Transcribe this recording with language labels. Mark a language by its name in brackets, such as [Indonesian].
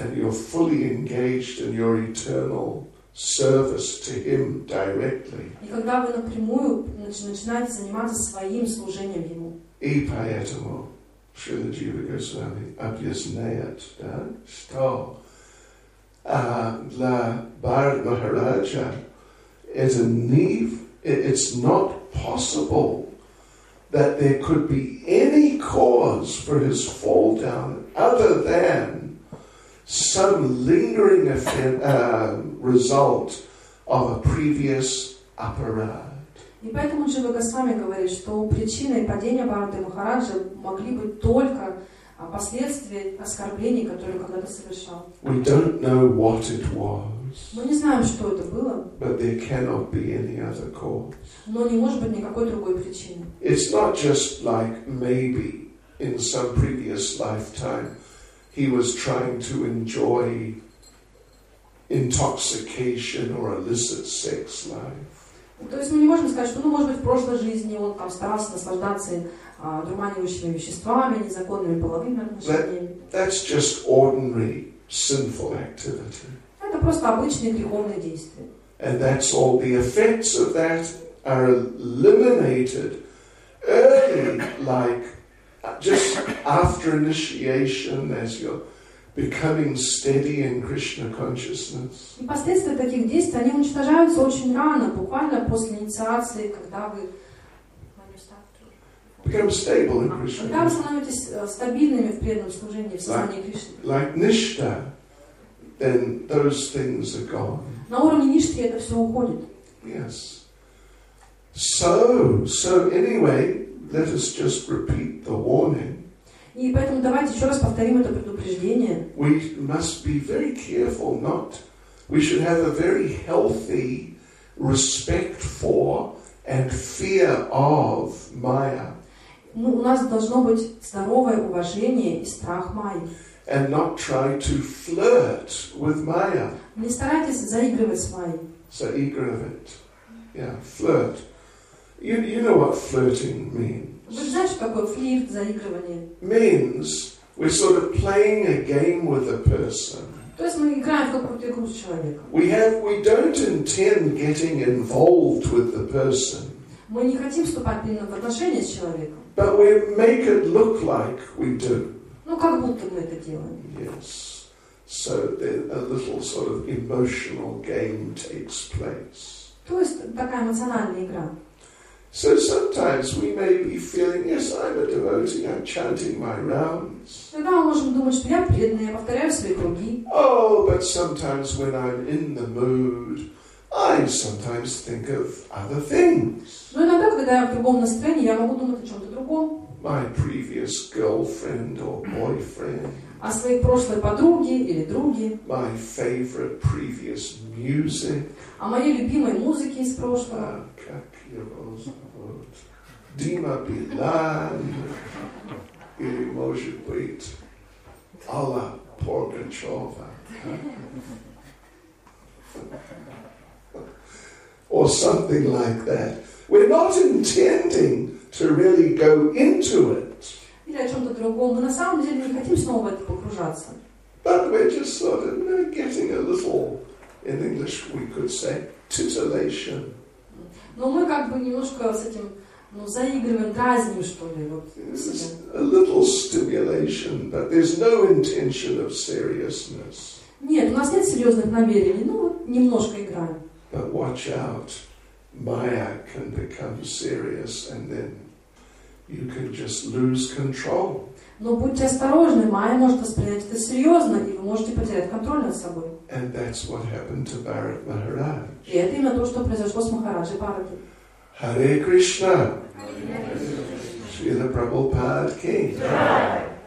[English] and you're fully engaged in your eternal service to Him directly, [Russian] и когда вы напрямую начинаете заниматься своим служением Ему, и поэтому, Шрила Джива Госвами, объясняет, да, что для Бхарат Махараджа это не [English] it's not possible that there could be any cause for his fall down other than some lingering effect, result of a previous aparad. [Russian] И поэтому Джива Госвами говорит, что причиной падения Бхарата Махараджа могли быть только последствия оскорблений, которые когда-то совершал. [English] We don't know what it was. [Russian] Мы не знаем, что это было. [English] But there cannot be any other cause. [Russian] Но не может быть никакой другой причины. [English] It's not just like maybe in some previous lifetime he was trying to enjoy intoxication or illicit sex life. [Russian] То есть мы не можем сказать, что, ну, может быть, в прошлой жизни он там старался наслаждаться одурманивающими веществами, незаконными половыми отношениями. [English] That's just ordinary sinful activity. [Russian] Это просто обычные греховные действия. [English] And that's all. The effects of that are eliminated early, like just after initiation, as you're becoming steady in Krishna consciousness. [Russian] И последствия таких действий они уничтожаются очень рано, буквально после инициации, когда вы [English] become stable in Krishna. [Russian] Когда вы становитесь стабильными в преданном служении, в сознании Кришны. [English] Like Nishta. Then those things are gone. [Russian] На уровне ништхи это все уходит. [English] Yes. So anyway, let us just repeat the warning. [Russian] И поэтому давайте еще раз повторим это предупреждение. [English] We must be very careful not. We should have a very healthy respect for and fear of Maya. [Russian] Ну, у нас должно быть здоровое уважение и страх Майи. [English] And not try to flirt with Maya. [Russian] Не старайтесь заигрывать с Майей. [English] So игрывать. Yeah, flirt. You know what flirting means. [Russian] Вы знаете, что такое флирт, заигрывание? [English] Means we're sort of playing a game with a person. [Russian] То есть мы играем в какую-то игру с человеком. [English] We don't intend getting involved with the person. [Russian] Мы не хотим вступать именно в отношения с человеком. [English] But we make it look like we do. [Russian] Ну, как будто мы это делаем. [English] Yes. So then a little sort of emotional game takes place. [Russian] То есть такая эмоциональная игра. [English] So sometimes we may be feeling, yes, I'm a devotee, I'm chanting my rounds. [Russian] Тогда мы можем думать, что я преданный, я повторяю свои круги. [English] Oh, but sometimes when I'm in the mood, I sometimes think of other things. Но иногда, когда я в другом настроении, я могу думать о чем-то другом. My previous girlfriend or boyfriend. [Russian] О своей прошлой подруге или друге. [English] My favorite previous music. [Russian] О моей любимой музыке из прошлого. Как его зовут? Дима Билан. Или, может быть, Алла Пугачёва. [English] Or something like that. We're not intending to really go into it. [Russian] Или о чем-то другом. Мы на самом деле не хотим снова в это погружаться. [English] But we're just sort of, you know, getting a little, in English we could say, titillation. [Russian] Но мы как бы немножко с этим, ну, заигрываем, дразним, что ли. Вот, [English] a little stimulation, but there's no intention of seriousness. [Russian] Нет, у нас нет серьезных намерений, ну, вот немножко играем. [English] But watch out. Maya can become serious, and then you can just lose control. [Russian] Но будьте осторожны, Майя может воспринять это серьезно, и вы можете потерять контроль над собой. [English] And that's what happened to Bharat Maharaj. [Russian] И это именно то, что произошло с Махараджей Бхарати. [English] Hare Krishna. Hare Krishna. Srila Prabhupada ki. Jai.